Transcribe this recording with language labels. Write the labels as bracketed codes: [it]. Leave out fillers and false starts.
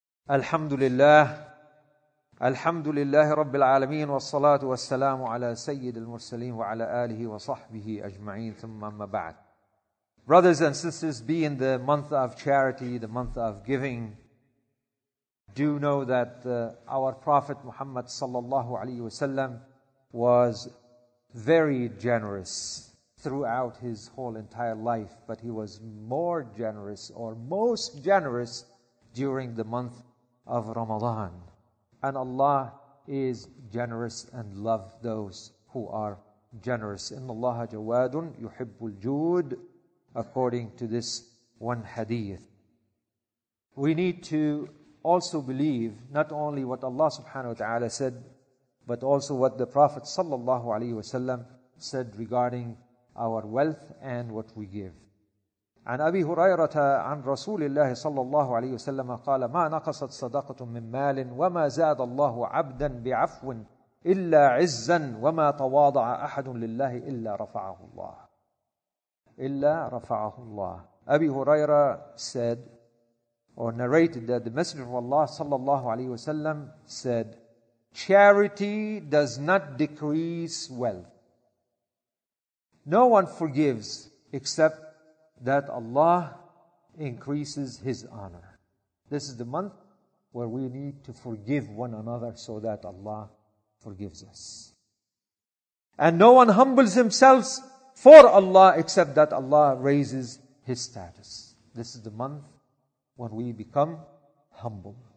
[ar] الحمد لله الحمد لله رب العالمين والصلاة والسلام على سيد المرسلين وعلى آله وصحبه أجمعين ثم أما بعد [en] Brothers and sisters, be in the month of charity, the month of giving. Do know that our Prophet Muhammad sallallahu alayhi wasallam was very generous throughout his whole entire life, but he was more generous or most generous during the month of Ramadan. And Allah is generous and love those who are generous. [ar] إِنَّ اللَّهَ جَوَادٌ يُحِبُّ الْجُودِ [en] According to this one hadith. We need to also believe not only what Allah subhanahu wa ta'ala said, but also what the Prophet sallallahu alayhi wa sallam said regarding our wealth and what we give. [ar] عن أبي هريرة عن رسول الله صلى الله عليه وسلم قال ما نقصت صدقة من مال وما زاد الله عبدا بعفو إلا عزا وما تواضع أحد لله إلا رفعه الله إلا رفعه الله [en] أبي هريرة said or narrated that the Messenger of Allah صلى الله عليه وسلم said charity does not decrease wealth no one forgives except that Allah increases His honor. This is the month where we need to forgive one another so that Allah forgives us. And no one humbles themselves for Allah except that Allah raises his status. This is the month when we become humble.